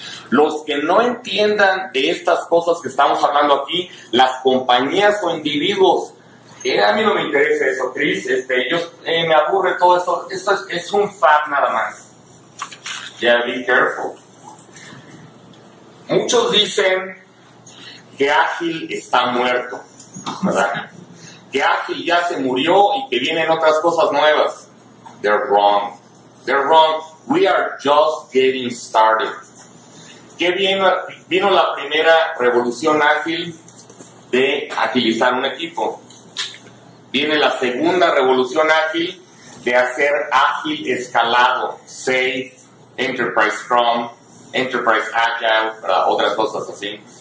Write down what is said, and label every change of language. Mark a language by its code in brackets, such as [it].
[es] Los que no entiendan de estas cosas que estamos hablando aquí, las compañías o individuos, a mí no me interesa eso, Cris, me aburre todo esto, esto es un fad nada más. [en] Yeah, be careful. [es] Muchos dicen que Ágil está muerto, ¿verdad? Que Ágil ya se murió y que vienen otras cosas nuevas. [en] They're wrong. We are just getting started. [es] ¿Qué vino la primera revolución ágil de agilizar un equipo? Viene la segunda revolución ágil de hacer ágil escalado, SAFe, Enterprise Scrum, Enterprise Agile, ¿verdad? Otras cosas así.